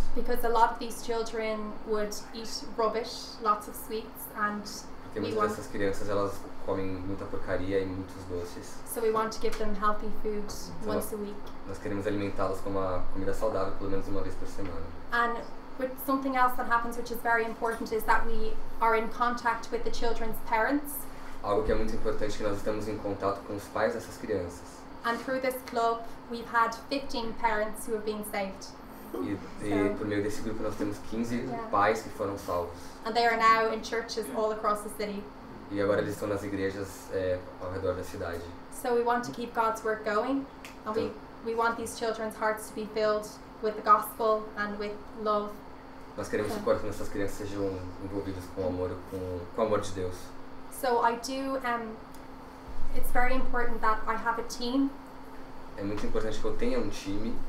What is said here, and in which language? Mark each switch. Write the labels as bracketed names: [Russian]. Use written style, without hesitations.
[English] Because a lot of these children would eat rubbish, lots of sweets, and [Portuguese] porque muitas dessas crianças elas comem muita porcaria e muitos doces. [English] So we want to give them healthy food [Portuguese] então, [English] once a week. [Portuguese] Nós queremos alimentá-las com uma comida saudável pelo menos uma vez por semana. [English] And but something else that happens, which is very important, is that we are in contact with the children's parents. [Portuguese] Algo que é muito importante é que nós estamos em contato com os pais dessas crianças. [English] And through this club, we've had 15 parents who have been saved. [Portuguese] E por meio desse grupo nós temos 15 pais que foram salvos. [English] And they are now in churches all across the city. [Portuguese] E agora eles estão nas igrejas ao redor da cidade. [English] So we want to keep God's work going, and we want these children's hearts to be filled with the gospel and with love. [Portuguese] Nós queremos que o coração dessas crianças sejam envolvidos com amor, com amor de Deus. [English] So I do. It's very important that I have a team. [Portuguese] É muito importante que eu tenha um time.